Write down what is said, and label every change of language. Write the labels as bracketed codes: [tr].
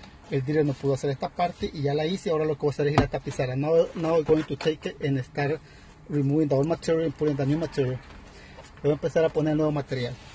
[es] El dealer no pudo hacer esta parte y ya la hice. Ahora lo que voy a hacer es ir a tapizar. [en] Now I'm going to take it and start removing the old material and putting the new material. [es] Voy a empezar a poner el nuevo material.